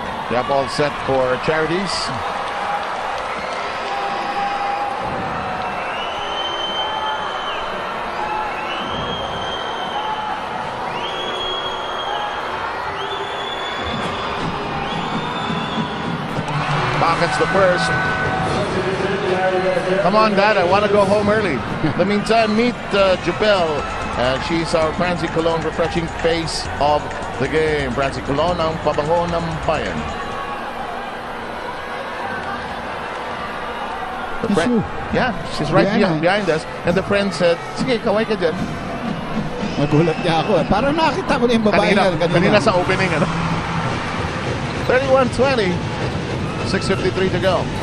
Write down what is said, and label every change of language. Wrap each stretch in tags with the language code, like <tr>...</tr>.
<en>Yep, all set for charities. Pockets the first. Come on, Dad, I want to go home early. In the meantime, meet Jabel. And she's our Francie Colon refreshing face of the game.</en> <tl>Francie Colon, ang pabango ng bayan.</tl> <en>The friend, yeah, she's right behind us. And the friend said,</en> <tl>sige, kaway ka dyan. Nagulat niya ako. Parang nakita ko na yung babae kanina sa opening. Ano? 31-20. 6:53 to go.</tl>